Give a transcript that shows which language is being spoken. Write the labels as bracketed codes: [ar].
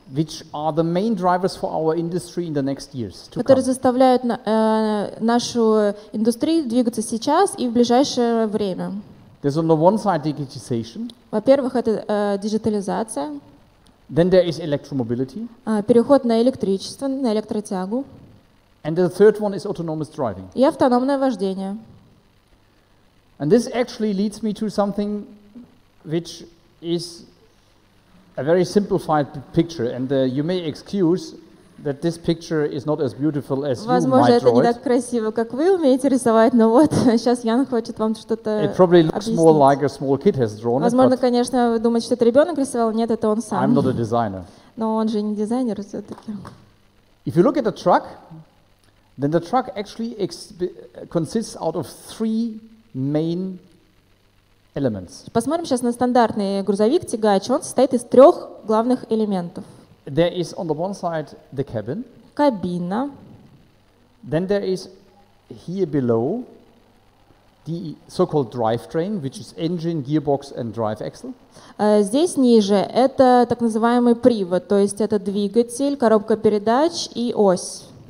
[en] Which are the main drivers for our industry in the next years to come. [ru] Которые заставляют нашу индустрию двигаться сейчас и в ближайшее время. [en] There's on the one side digitization. [ru] Во-первых, это диджитализация. [en] Then there is electromobility. [ru] Переход на электричество, на электротягу. [en] And the third one is autonomous driving. [ru] И автономное вождение. [en] And this actually leads me to something which is a very simplified picture. And you may excuse that this picture is not as beautiful as you might draw it. [ru] Возможно, это не так красиво, как вы умеете рисовать, но вот сейчас Ян хочет вам что-то объяснить. [en] It probably looks more like a small kid has drawn it. [ru] Возможно, конечно, вы думаете, что это ребенок рисовал. Нет, это он сам. [en] I'm not a designer. [ru] Но он же не дизайнер все-таки. [en] If you look at the truck, then the truck actually consists out of three main elements. [ru] Посмотрим сейчас на стандартный грузовик, тягач. Он состоит из трех главных элементов. [en] There is on the one side the cabin. [ru] Кабина. [en] Then there is here below the so-called drivetrain, which is engine, gearbox and drive axle. [ru] Здесь ниже это так называемый привод, то есть это двигатель, коробка передач и ось.